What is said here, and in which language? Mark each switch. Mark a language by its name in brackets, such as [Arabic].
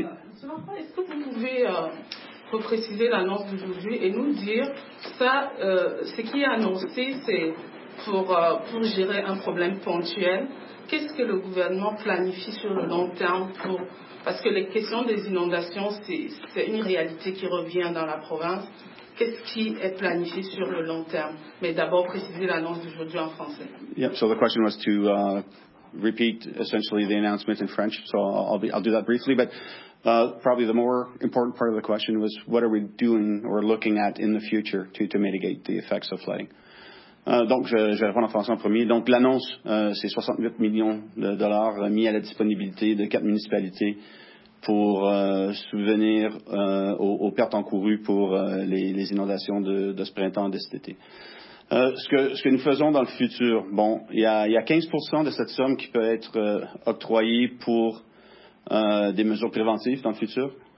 [French] Est-ce que vous pouvez repréciser l'annonce d'aujourd'hui et nous dire ça, ce qui est annoncé, c'est pour gérer un problème ponctuel. Qu'est-ce que le gouvernement planifie sur le long terme pour... Parce que les questions des inondations, c'est une réalité qui revient dans la province. Qu'est-ce qui est planifié sur le long terme? Mais d'abord, préciser l'annonce d'aujourd'hui en français. [English] Yep, so the question was to repeat essentially the announcement in French, so I'll do that briefly, but probably the more important part of the question was what are we doing or looking at in the future to mitigate the effects of flooding. [French] Donc, je vais répondre en français en premier. Donc, l'annonce, c'est 68 millions de dollars mis à la disponibilité de 4 municipalités pour subvenir aux pertes encourues pour les inondations de ce printemps et de cet été. Ce que nous faisons dans le futur, bon, il y a 15% de cette somme qui peut être octroyée pour des mesures préventives dans le futur.